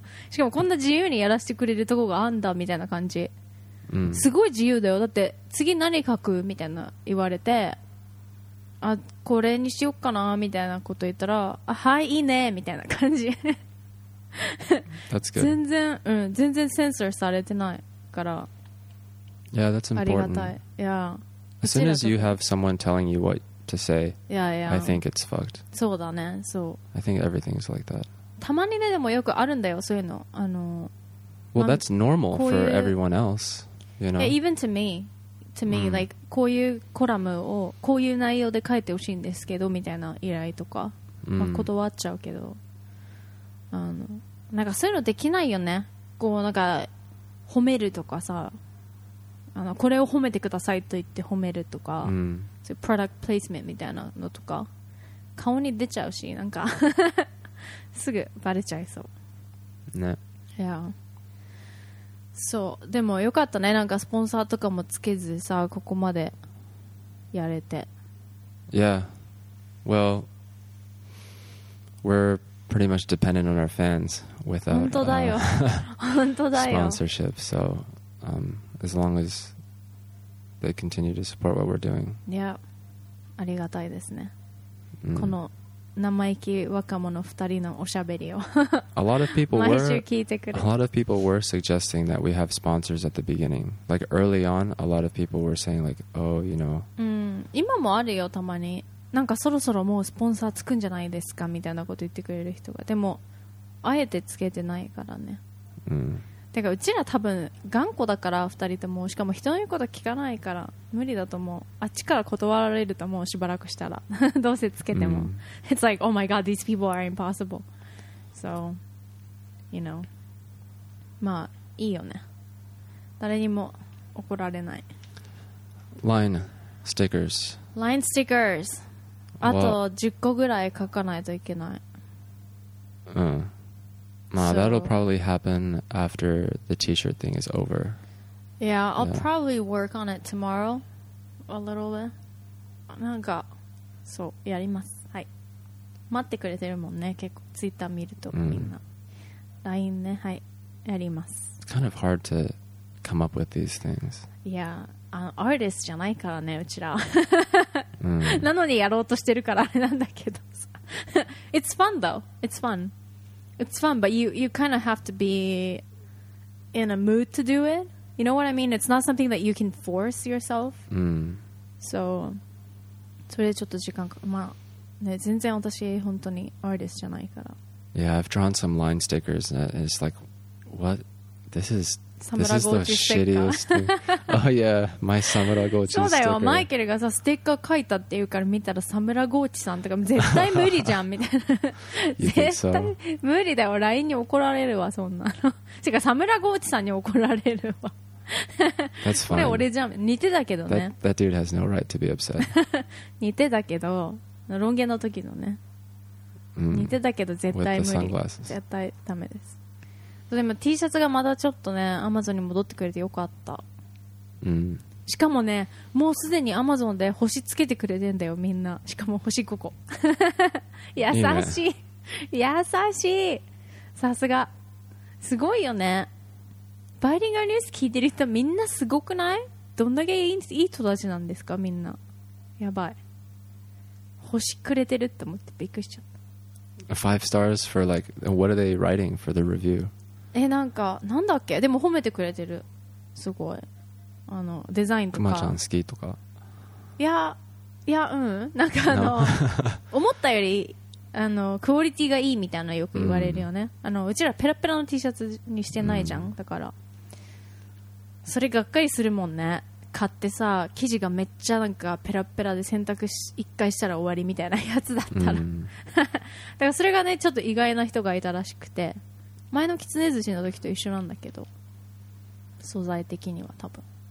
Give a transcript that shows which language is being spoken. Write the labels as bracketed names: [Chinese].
[Japanese] しかもこんな自由にやらせてくれるとこがあんだみたいな感じ、すごい自由だよ。だって次何書くみたいな言われて、あ、これにしよっかなみたいなこと言ったら、あ、はい、いいねみたいな感じ。 [English] That's good. [Japanese] 全然、全然センサーされてないから。 [English] Yeah, that's important. [Japanese] ありがたい。Yeah. [English] As soon as you have someone telling you what to say, I think it's fucked. [Japanese] そうだね、そう。 [English] I think everything's like that. [Japanese] たまにね、でもよくあるんだよ、そういうの。あの、 [English] Well, that's normal for everyone else, you know? Even to me. To me, like, [Japanese] こういうコラムをこういう内容で書いてほしいんですけど、みたいな依頼とか、断っちゃうけど、あの、なんかそういうのできないよね。こう、なんか、褒めるとかさ、あの、これを褒めてくださいと言って褒めるとか、そういうプロダクトプレイスメントみたいなのとか、顔に出ちゃうし、なんか。すぐバレちゃいそうね。いや、そう、でもよかったね、なんかスポンサーとかもつけずさ、ここまでやれて。 [English] Yeah, well, we're pretty much dependent on our fans without [Japanese] 本当だよ、本当だよ、 [English] sponsorship, so as long as they continue to support what we're doing. [Japanese] Yeah, ありがたいですね、この生意気若者二人のおしゃべりを毎週聞いてくる。 [English] A lot of people were suggesting that we have sponsors at the beginning. Like early on, a lot of people were saying like, oh, you know. [Japanese] 今もあるよ、たまに。なんかそろそろもうスポンサーつくんじゃないですかみたいなこと言ってくれる人が、でもあえてつけてないからね、うん、てかうちら多分頑固だから2人とも、しかも人の言うこと聞かないから無理だと思う。あっちから断られると、もうしばらくしたらどうせつけても、うん、 [English] It's like, oh my god, these people are impossible. So, you know, [Japanese] まあいいよね、誰にも怒られない。 [English] Line stickers. Line stickers. [Japanese] あと10個ぐらい書かないといけない。 [English] うん、まあ、so, that'll probably happen after the t-shirt thing is over. Yeah, I'll probably work on it tomorrow. A little bit. [Japanese] なんか、そう、やります。はい。待ってくれてるもんね。結構、ツイッター見ると、みんな。 LINE ね、はい。やります。 [English] It's kind of hard to come up with these things. [Japanese] Yeah, アーティストじゃないからね、うちら。なのにやろうとしてるからあれなんだけどさ。 [English] It's fun though. It's fun. It's fun, but you kind of have to be in a mood to do it. You know what I mean? It's not something that you can force yourself. [Japanese] So, それちょっと時間か、まあね、全然私本当にアーティストじゃないから。 [English] Yeah, I've drawn some line stickers and it's like, what? This is, the shittiest thing. Oh yeah, my Samura Gochi sticker. [Japanese] そうだよ、マイケルがさ、ステッカー書いたっていうから見たら、サムラゴーチさんとか絶対無理じゃんみたいな。絶対無理だよ、LINE に怒られるわ、そんなの。てか、サムラゴーチさんに怒られるわ。 [English] That's fine. [Japanese] これ俺じゃん。似てたけどね。 [English] That dude has no right to be upset. [Japanese] 似てたけど、ロン毛の時のね。似てたけど、絶対無理。絶対ダメです。でも T シャツがまだちょっとね、アマゾンに戻ってくれてよかった、うん、しかもね、もうすでにアマゾンで星つけてくれてんだよみんな、しかも星5個優しい、優しい、さすがすごいよね。バイリンガルニュース聞いてる人みんなすごくない？どんだけいい人たちなんですか、みんなやばい、星くれてるって思ってびっくりしちゃった。 [English] 5 stars for like, what are they writing for the review? [Japanese] え、なんか、なんだっけ、でも褒めてくれてる、すごい、あのデザインとか、クマちゃん好きとか、いや、うん、なんかあの、no. 思ったよりあのクオリティがいいみたいなのよく言われるよね、うん、あのうちらペラペラの T シャツにしてないじゃん、うん、だからそれがっかりするもんね、買ってさ生地がめっちゃなんかペラペラで洗濯一回したら終わりみたいなやつだったら、うん、だからそれがねちょっと意外な人がいたらしくて、前のキツネ寿司の時と一緒なんだけど、素材的には多分。